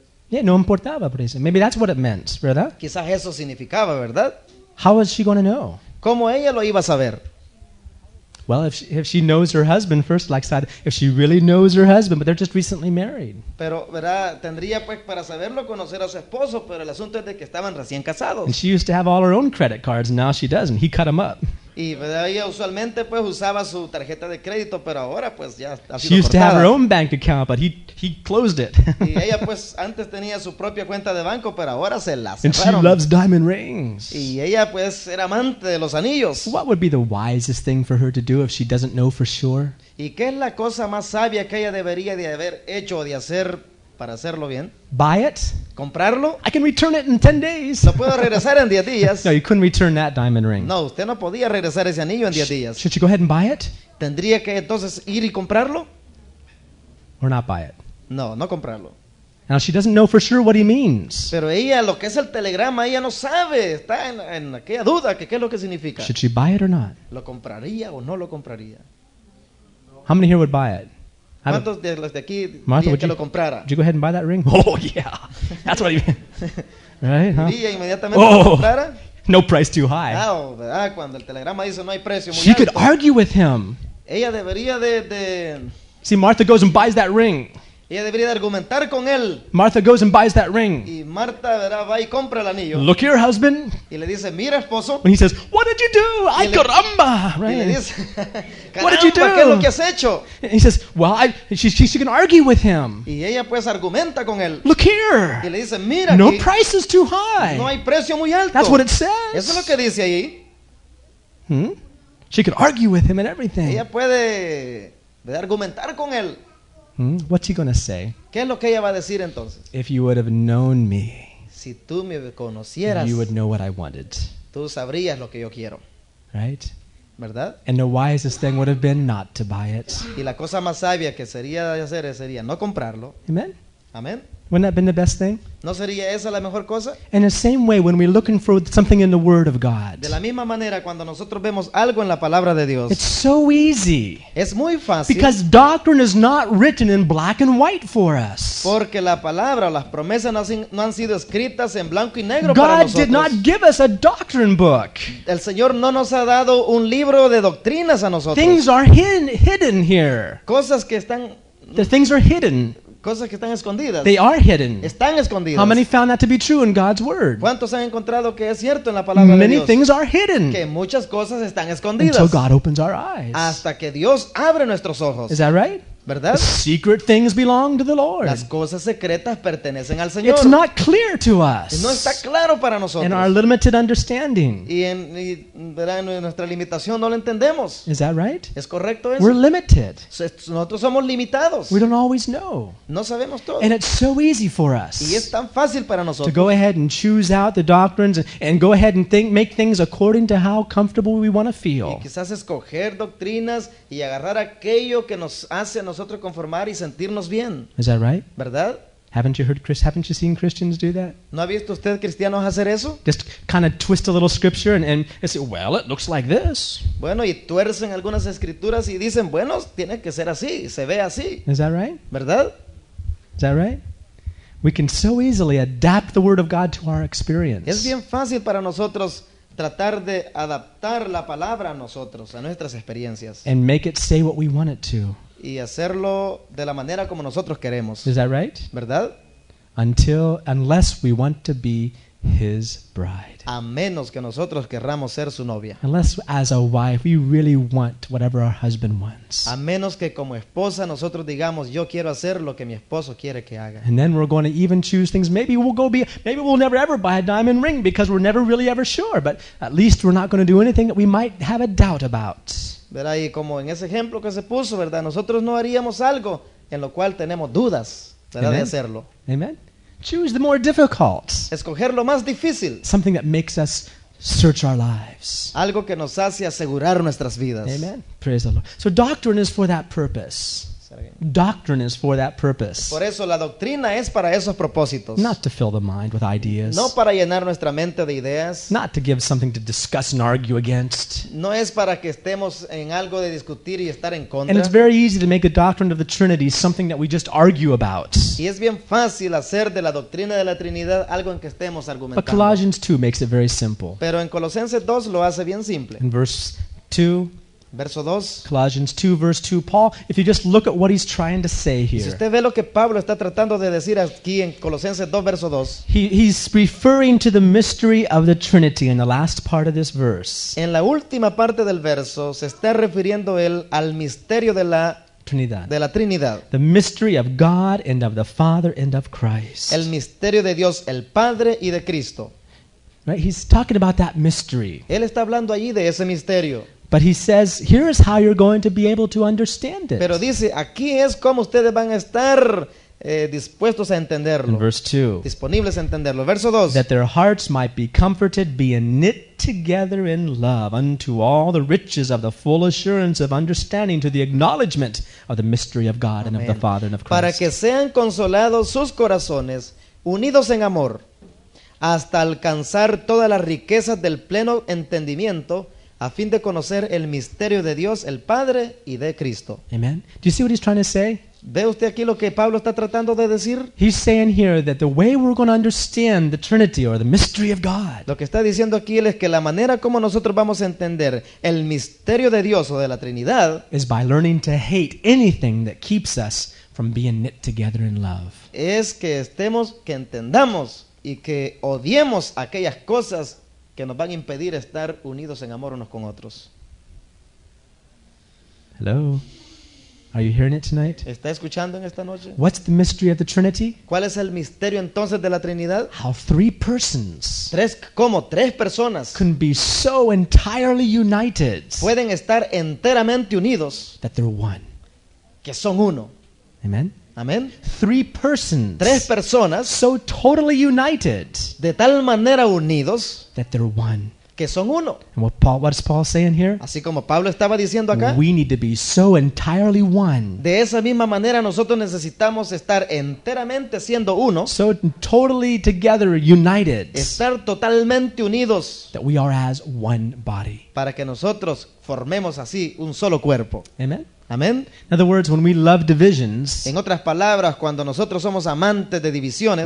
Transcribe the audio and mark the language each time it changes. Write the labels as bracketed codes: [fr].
[es] Yeah, no importaba el precio. [en] Maybe that's what it meant, [es] ¿verdad? Quizás eso significaba, ¿verdad? [en] How was she going to know? [es] ¿Cómo ella lo iba a saber? [en] Well, if she knows her husband first, like I said, if she really knows her husband, but they're just recently married. [es] Pero verdad, tendría pues para saberlo conocer a su esposo, pero el asunto es de que estaban recién casados. [en] And she used to have all her own credit cards, and now she doesn't. He cut them up. [es] Y verdad, ella usualmente pues usaba su tarjeta de crédito, pero ahora pues ya ha sido cortada. [en] She used to have her own bank account, but he closed it. [es] Y ella pues antes tenía su propia cuenta de banco, pero ahora se la cerraron. [en] And she loves diamond rings. [es] Y ella pues era amante de los anillos. [en] What would be the wisest thing for her to do if she doesn't know for sure? [es] ¿Y qué es la cosa más sabia que ella debería de haber hecho o de hacer para hacerlo bien? [en] Buy it. [es] Comprarlo. [en] I can return it in 10 days. [es] Lo puedo regresar en 10 días. [en] No, you couldn't return that diamond ring. [es] No, usted no podía regresar ese anillo en 10 días. [en] Should you go ahead and buy it? [es] ¿Tendría que entonces ir y comprarlo? [en] Or not buy it? [es] No, no comprarlo. [en] Now she doesn't know for sure what he means. [es] Pero ella, lo que es el telegrama, ella no sabe. Está en aquella duda que qué es lo que significa. [en] Should she buy it or not? [es] ¿Lo compraría o no lo compraría? [en] How many here would buy it? [es] ¿Cuántos de los de aquí Martha, que lo comprara? [en] Would you go ahead and buy that ring? Oh, yeah. That's what he meant. Right, huh? [es] ¿Iría inmediatamente lo comprara? [en] No price too high. [es] Claro, ¿verdad? Cuando el telegrama dice no hay precio muy [en] alto. She could argue with him. [es] Ella debería de... [en] See, Martha goes and buys that ring. [es] Ella debería de argumentar con él. [en] Martha goes and buys that ring. [es] Y Martha, ¿verdad? Va y compra el anillo. [en] Look here, husband. [es] Y le dice, mira, esposo. [en] And he says, what did you do? [es] ¡Ay, caramba! [en] Right? [es] Y le dice, [en] what did you do? [es] ¿Qué es lo que has hecho? [en] And he says, well, she can argue with him. [es] Y ella, pues, argumenta con él. [en] Look here. [es] Y le dice, mira, [en] no price is too high. [es] No hay precio muy alto. [en] That's what it says. [es] Eso es lo que dice ahí. Hmm? [en] She can argue with him and everything. [es] Ella puede, ¿verdad? Argumentar con él. [en] What's he gonna say? [es] ¿Qué es lo que ella va a decir entonces? [en] If you would have known me, [es] si tú me conocieras, [en] you would know what I wanted. [es] Tú sabrías lo que yo quiero. [en] Right? [es] ¿Verdad? [en] And the wisest thing would have been not to buy it. [es] Y la cosa más sabia que sería hacer sería no comprarlo. [en] Amen. [es] Amen. [en] Wouldn't that have been the best thing? [es] ¿No sería esa la mejor cosa? [en] In the same way, when we're looking for something in the Word of God, [es] de la misma manera cuando nosotros vemos algo en la palabra de Dios, [en] it's so easy. [es] Es muy fácil. [en] Because doctrine is not written in black and white for us. [es] Porque la palabra o las promesas no han sido escritas en blanco y negro [en] God [es] para nosotros. [en] God did not give us a doctrine book. [es] El Señor no nos ha dado un libro de doctrinas a nosotros. [en] Things are hidden here. [es] Cosas que están. [en] The things are hidden. [es] Cosas que están escondidas. [en] They are hidden. [es] Están escondidas. [en] How many found that to be true in God's word? [es] ¿Cuántos han encontrado que es cierto en la palabra [en] many [es] de Dios? [en] Many things are hidden. [es] Que muchas cosas están escondidas. [en] Until God opens our eyes. [es] Hasta que Dios abre nuestros ojos. [en] Is that right? [es] ¿verdad? [en] The secret things belong to the Lord. [es] Las cosas secretas pertenecen al Señor. [en] It's not clear to us. [es] No está claro para nosotros. [en] In our limited understanding. [es] Y en nuestra limitación no lo entendemos. [en] Is that right? [es] ¿Es correcto eso? [en] We're limited. [es] Nosotros somos limitados. [en] We don't always know. [es] No sabemos todo. [en] And it's so easy for us. [es] Y es tan fácil para nosotros. [en] To go ahead and choose out the doctrines and go ahead and think, make things according to how comfortable we want to feel. [es] Y quizás escoger doctrinas y agarrar aquello que nos hace nosotros conformar y sentirnos bien. [en] Is that right? [es] ¿Verdad? [en] Haven't you heard Chris? Haven't you seen Christians do that? [es] ¿No ha visto usted cristianos hacer eso? [en] Just kind of twist a little scripture and say, well, it looks like this. [es] Bueno, y tuercen algunas escrituras y dicen, bueno, tiene que ser así, se ve así. [en] Is that right? [es] ¿Verdad? [en] Is that right? We can so easily adapt the word of God to our experience. [es] Es bien fácil para nosotros tratar de adaptar la palabra a nosotros, a nuestras experiencias. [en] And make it say what we want it to. [es] Y hacerlo de la manera como nosotros queremos. [en] Is that right? [es] ¿Verdad? [en] Unless we want to be his bride. [es] A menos que nosotros querramos ser su novia. [en] Unless as a wife we really want whatever our husband wants. [es] A menos que como esposa nosotros digamos yo quiero hacer lo que mi esposo quiere que haga. [en] And then we're going to even choose things. Maybe we'll never ever buy a diamond ring because we're never really ever sure. But at least we're not going to do anything that we might have a doubt about. [es] Verá, y como en ese ejemplo que se puso, ¿verdad? Nosotros no haríamos algo en lo cual tenemos dudas, ¿verdad? [en] Amen. [es] De hacerlo. Amen. [en] Choose the more difficult. [es] Escoger lo más difícil. [en] Something that makes us search our lives. [es] Algo que nos hace asegurar nuestras vidas. [en] Amen. Praise the Lord. So doctrine is for that purpose. Doctrine is for that purpose. [es] Por eso la doctrina es para esos propósitos. [en] Not to fill the mind with ideas. [es] No para llenar nuestra mente de ideas. [en] Not to give something to discuss and argue against. [es] No es para que estemos en algo de discutir y estar en contra. [en] And it's very easy to make the doctrine of the Trinity something that we just argue about. [es] Y es bien fácil hacer de la doctrina de la Trinidad algo en que estemos argumentando. [en] But Colossians 2 makes it very simple. [es] Pero en Colosenses 2 lo hace bien simple. [en] In verse 2. [es] Verso 2. [en] Colossians 2, verse 2. Paul, if you just look at what he's trying to say here. [es] Si usted ve lo que Pablo está tratando de decir aquí en Colosenses 2, verso 2. [en] He's referring to the mystery of the Trinity in the last part of this verse. [es] En la última parte del verso se está refiriendo él al misterio de la Trinidad. De la Trinidad. [en] The mystery of God and of the Father and of Christ. [es] El misterio de Dios, el Padre y de Cristo. [en] Right? He's talking about that mystery. [es] Él está hablando allí de ese misterio. [en] But he says, here is how you're going to be able to understand it. [es] Pero dice, aquí es como ustedes van a estar dispuestos a entenderlo. [en] In verse 2. [es] Disponibles a entenderlo. Verso 2. [en] That their hearts might be comforted, being knit together in love, unto all the riches of the full assurance of understanding, to the acknowledgement of the mystery of God. Amen. And of the Father and of Christ. [es] Para que sean consolados sus corazones, unidos en amor, hasta alcanzar todas las riquezas del pleno entendimiento, a fin de conocer el misterio de Dios, el Padre y de Cristo. Amen. [en] Do you see what he's trying to say? [es] ¿Ve usted aquí lo que Pablo está tratando de decir? [en] He's saying here that the way we're going to understand the Trinity or the mystery of God. [es] Lo que está diciendo aquí es que la manera como nosotros vamos a entender el misterio de Dios o de la Trinidad [en] is by learning to hate anything that keeps us from being knit together in love. [es] Es que estemos, que entendamos y que odiemos aquellas cosas que nos van a impedir estar unidos en amor unos con otros. [en] Hello. Are you hearing it tonight? [es] ¿Está escuchando en esta noche? [en] What's the mystery of the Trinity? [es] ¿Cuál es el misterio entonces de la Trinidad? [en] How three persons. [es] Tres, ¿cómo? Tres personas. [en] Can be so entirely united. [es] Pueden estar enteramente unidos. [en] That they're one. [es] Que son uno. [en] Amen. [es] Amen. [en] Three persons. [es] Tres personas. [en] So totally united. [es] De tal manera unidos. [en] That they're one. [es] Que son uno. [en] And what is Paul saying here? [es] Así como Pablo estaba diciendo acá. [en] We need to be so entirely one. [es] De esa misma manera nosotros necesitamos estar enteramente siendo uno. [en] So totally together, united. [es] Estar totalmente unidos. [en] That we are as one body. [es] Para que nosotros formemos así un solo cuerpo. [en] Amen. [es] Amen. [en] In other words, when we love divisions, [es] en otras palabras, cuando nosotros somos amantes de divisiones,